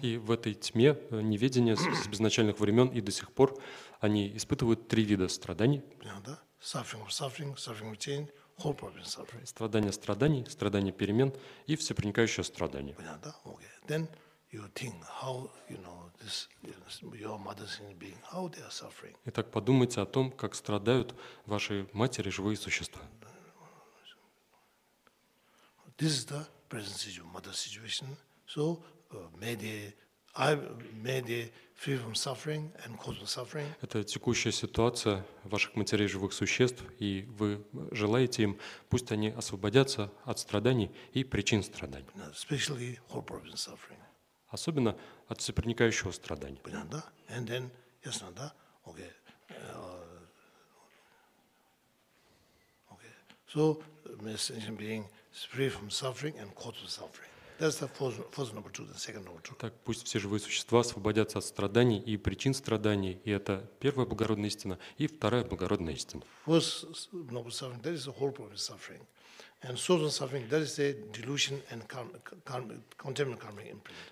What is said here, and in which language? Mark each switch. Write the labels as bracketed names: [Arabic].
[Russian] И в этой тьме неведения с изначальных времен и до сих пор они испытывают три вида страданий. [English] Suffering of suffering, suffering of change, whole problem suffering. [Russian] Страдания страданий, страдания перемен и всепроникающее страдание. [English] Okay. Then you think how, you know, this, your mother's being, how they are suffering. [Russian] Итак, подумайте о том, как страдают ваши матери, живые существа. [English] This is the present situation, mother situation. So may they free from suffering and cause suffering. [Russian] Это текущая ситуация ваших матерей живых существ, и вы желаете им, пусть они освободятся от страданий и причин страданий. [English] Especially whole problem suffering. [Russian] Особенно от всепроникающего страдания. Понятно, да? [English] And then, [Russian] ясно, да? Okay. [English] Okay. So, may sentient being free from suffering and cause suffering. That's the first number two, the second number two. [Russian] Так, пусть все живые существа освободятся от страданий и причин страданий, и это первая благородная истина, и вторая благородная истина. [English] First number suffering, that is the whole problem of suffering. And source of suffering, that is the delusion and contaminant karmic imprint.